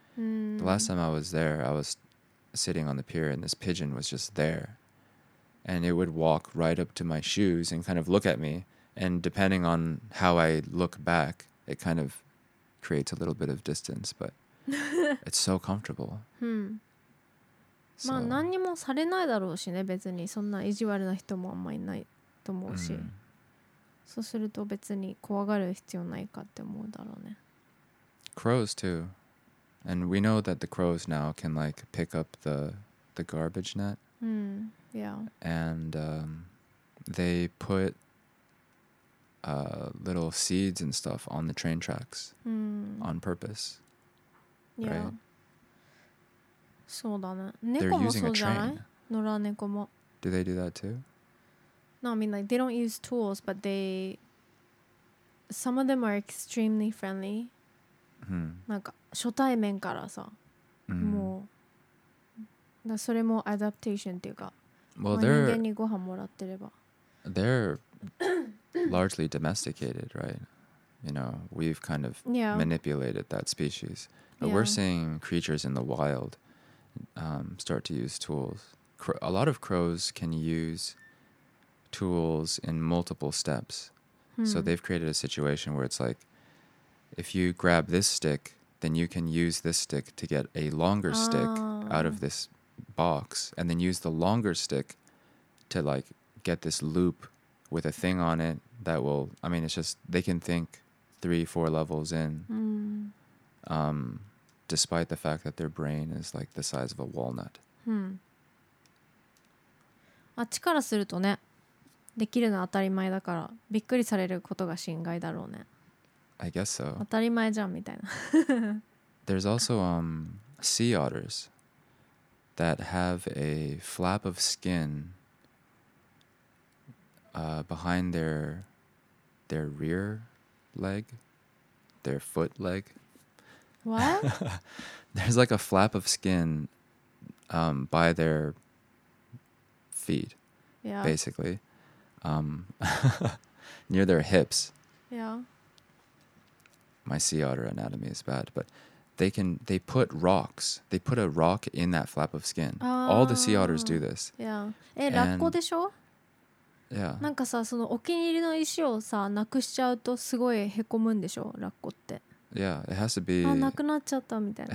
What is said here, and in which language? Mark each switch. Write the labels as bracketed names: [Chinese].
[English] The last time I was there, I was sitting on the pier and this pigeon was just there. And it would walk right up to my shoes and kind of look at me. And depending on how I look back, it kind of creates a little bit of distance, but it's so comfortable. So. [Japanese] まあ何にもされないだろうしね、別にそんな意地悪な人もあんまいないと思うし、そうすると別に怖がる必要ないかって思うだろうね。 [English] Crows too. And we know that the crows now can like pick up the garbage net. Yeah. And they put... little seeds and stuff on the train tracks on purpose. [Japanese] Yeah. そうだね。猫もそうじゃない？野良猫も。 [English] Do they do that too? No, I mean like they don't use tools, but they. Some of them are extremely friendly. [Japanese] なんか初対面からさ、もう。だそれもアダプテーションっていうか。 [English] Well, they're. [Japanese] 人間にご飯もらってれば。 [English] They're. largely domesticated, right? You know, we've kind of manipulated that species. But we're seeing creatures in the wild start to use tools. A lot of crows can use tools in multiple steps. So they've created a situation where it's like, if you grab this stick, then you can use this stick to get a longer stick out of this box, and then use the longer stick to like get this loop with a thing on it,That will, I mean, it's just, they can think 3-4 levels in, despite the fact that their brain is like the size of a walnut. [Japanese] あっちからするとね、できるの当たり前だから、びっくりされることが心外だろうね。 [English] I guess so. [Japanese] 当たり前じゃんみたいな。 [English] There's also sea otters that have a flap of skin behind their rear leg, their foot leg, What? There's like a flap of skin by their feet, yeah, basically, near their hips. Yeah. My sea otter anatomy is bad, but they put rocks. They put a rock in that flap of skin. All the sea otters do this. [Japanese] Yeah. ラッコでしょ? [English] Yeah. [Japanese] なんかさ、そのお気に入りの石をさ、なくしちゃうとすごいへこむんでしょ、ラッコって。 [English] Yeah, it has to be. [Japanese] あ、なくなっちゃったみたいな。